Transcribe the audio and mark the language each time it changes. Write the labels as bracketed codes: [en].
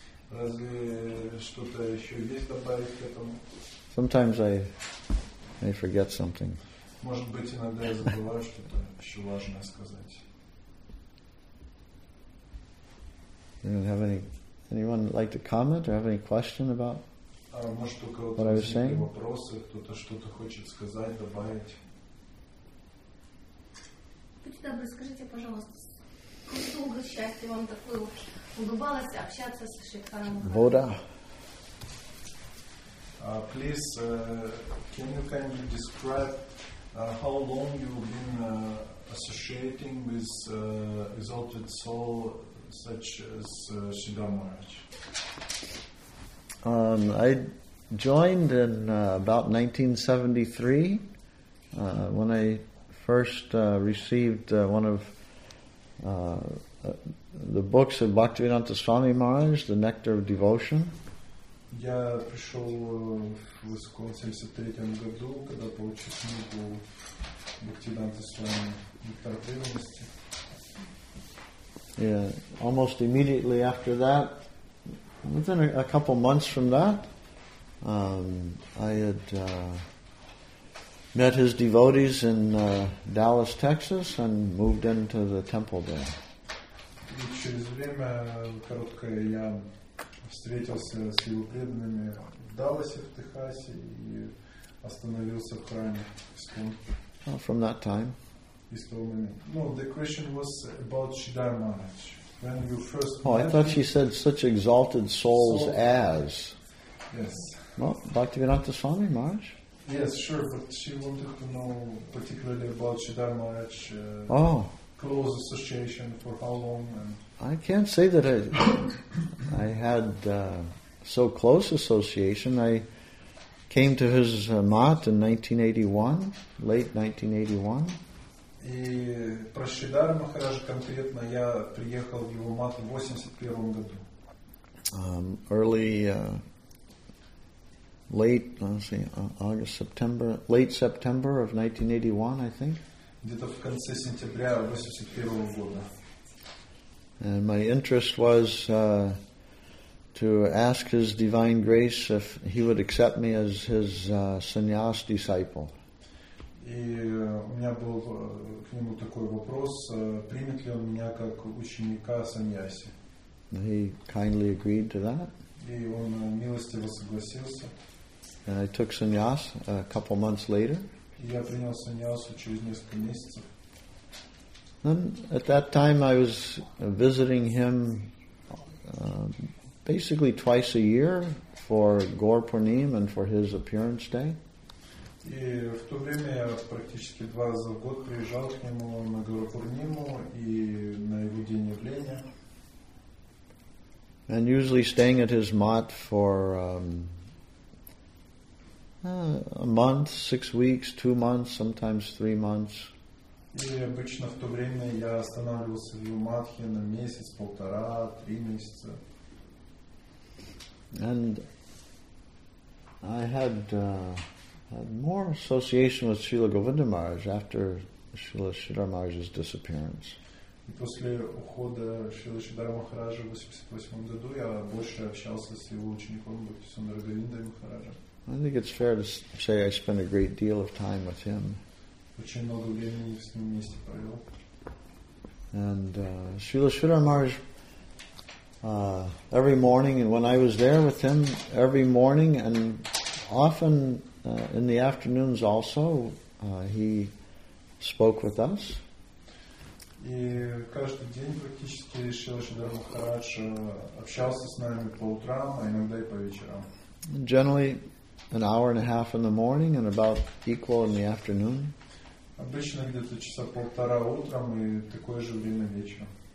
[ru] Разве что-то еще есть добавить к этому? [en] Sometimes I forget something. [ru] Может быть, иногда я забываю что-то еще важное сказать. [en] You don't have any, anyone like to comment or have any question about what I was saying? [ru] Может, у кого-то есть вопросы, кто-то что-то хочет сказать, добавить? Будьте добры, скажите, пожалуйста, какой долго счастья вам такое удавалось общаться с Шикарамой? Бода. [en] Please, can you kindly describe how long you've been associating with exalted soul such as Sridhar Maharaj? I joined in about 1973 when I first received one of the books of Bhaktivedanta Swami Maharaj, The Nectar of Devotion. [ru] Я пришел в Искон в 73-м году, когда получил книгу Бхактивиданта Свами Нектар Преданности. [en] Yeah, almost immediately after that, within a couple months from that, I had met his devotees in Dallas, Texas, and moved into the temple there. [ru] И через время короткое я встретился с его преданными в Далласе, в Техасе, и остановился в храме. [en] From that time. [ru] Из того момента. [en] No, the question was about Sridhar Maharaj. When you first. Oh, I thought she said such exalted souls as. Yes. Well, Bhaktivedanta Swami Maharaj. Yes, sure, but she wanted to know particularly about Sridhar Maharaj, close association, for how long. And I can't say that I had so close association. I came to his mat in 1981, late 1981. [ru] И про Шридар Махараджа конкретно я приехал в его мат в 81-м году. [en] Early late, let's see, August, September, late September of 1981, I think. [ru] Где-то в конце сентября 81-го года. [en] And my interest was to ask His Divine Grace if He would accept me as His sannyas disciple. [ru] И у меня был к нему такой вопрос, примет ли он меня как ученика саньяси. [en] He kindly agreed to that. [ru] И он милостиво согласился. [en] And I took sannyas a couple months later. [ru] Я принял саньясу через несколько месяцев. [en] Then at that time I was visiting him basically twice a year for Gaur Purnim and for his appearance day. [ru] И в то время я практически два раза в год приезжал к нему на Гору Пурниму и на его день явления. [en] And usually staying at his mat for a month, 6 weeks, 2 months, sometimes 3 months. [ru] И обычно в то время я останавливался в Юматхе на месяц, полтора, три месяца. [en] And I had more association with Srila Govinda Maharaj after Srila Sridhar Maharaj's disappearance. [ru] И после ухода Шрилы Шридара Махараджа в 1988 году я больше общался с его учеником Бхактисундара Говиндой Махараджа. [en] I think it's fair to say I spent a great deal of time with him. [ru] Очень много времени с ним вместе провел. [en] And Шрила Шридара Махарадж, every morning, and when I was there with him, every morning and often in the afternoons also, he spoke with us. [ru] И каждый день практически Шрила Шридара Махарадж общался с нами по утрам, а иногда и по вечерам. [en] Generally, an hour and a half in the morning and about equal in the afternoon. [ru] Обычно где-то часа полтора утром и такое же время вечером.